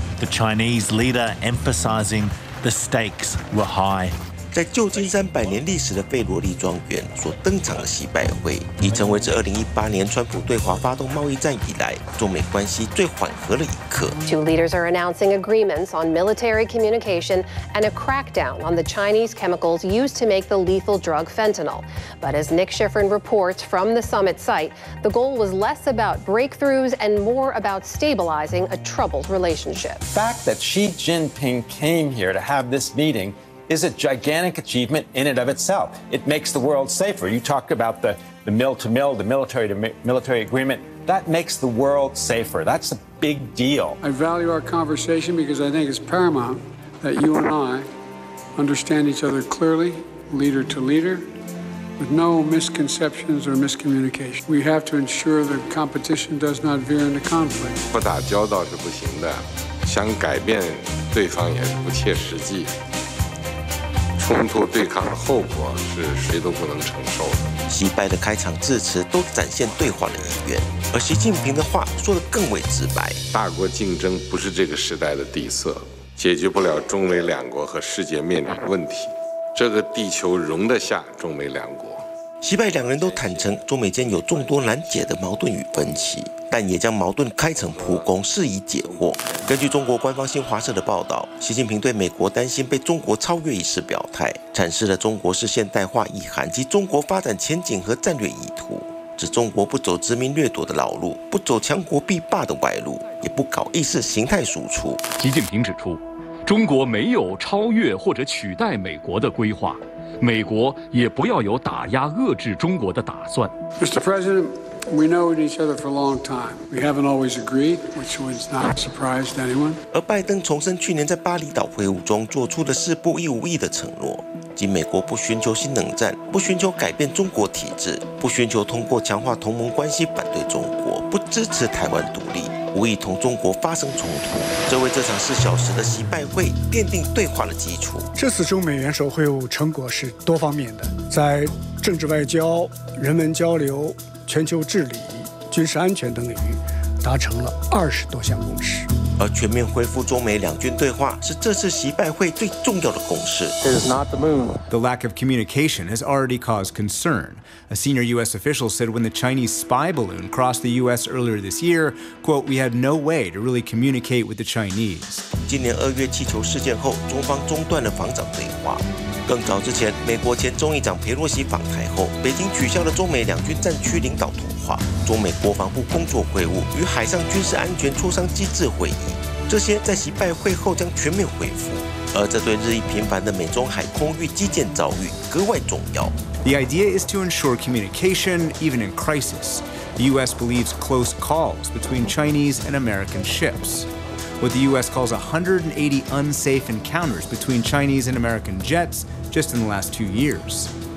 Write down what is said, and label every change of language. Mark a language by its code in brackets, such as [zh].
[en] The Chinese leader emphasizing the stakes were high. [zh] 在旧金山百年历史的费罗利庄园所登场的习拜会，已成为自2018年川普对华发动贸易战以来，中美关系最缓和的一刻。 [en] Two leaders are announcing agreements on military communication and a crackdown on the Chinese chemicals used to make the lethal drug fentanyl. But as Nick Schifrin reports from the summit site, the goal was less about breakthroughs and more about stabilizing a troubled relationship. The fact that Xi Jinping came here to have this meeting. Is a gigantic achievement in and of itself. It makes the world safer. You talked about the mill to mill, the military to military agreement. That makes the world safer. That's a big deal. I value our conversation because I think it's paramount that you and I understand each other clearly, leader to leader, with no misconceptions or miscommunication. We have to ensure the competition does not veer into conflict. [zh] 不打交道是不行的，想改变对方也是不切实际。冲突对抗的后果是谁都不能承受的。习拜的开场致辞都展现对话的意愿，而习近平的话说得更为直白。大国竞争不是这个时代的底色，解决不了中美两国和世界面临的问题。这个地球容得下中美两国。习拜两人都坦承中美间有众多难解的矛盾与分歧，但也将矛盾开诚布公，事以解惑。根据中国官方新华社的报道，习近平对美国担心被中国超越一事表态，阐释了中国式现代化意涵及中国发展前景和战略意图，指中国不走殖民掠夺的老路，不走强国必霸的歪路，也不搞意识形态输出。习近平指出，中国没有超越或者取代美国的规划，美国也不要有打压遏制中国的打算。 [en] Mr. President, we know each other for a long time. We haven't always agreed, which was not surprised anyone. [zh] 而拜登重申去年在巴厘岛会晤中做出的四不一无意的承诺，即美国不寻求新冷战，不寻求改变中国体制，不寻求通过强化同盟关系反对中国，不支持台湾独立，无意同中国发生冲突，这为这场四小时的习拜会奠定对话的基础。这次中美元首会晤成果是多方面的，在政治外交、人文交流、全球治理、军事安全等领域达成了20多项共识。而全面恢复中美两军对话是这次习拜会最重要的共识。 [en] It is not the moon. The lack of communication has already caused concern. A senior U.S. official said when the Chinese spy balloon crossed the U.S. earlier this year, quote, we had no way to really communicate with the Chinese. [zh] 今年二月气球事件后，中方中断了防长对话。更早之前，美国前众议长佩洛西访台后，北京取消了中美两军战区领导通话、中美国防部工作会晤与海上军事安全磋商机制会议，这些在习拜会后将全面恢复。而这对日益频繁的美中海空域基建遭遇格外重要。 [en] The idea is to ensure communication even in crisis. The U.S. believes close calls between Chinese and American ships. What the U.S. calls 180 unsafe encounters between Chinese and American jets just in the last 2 years.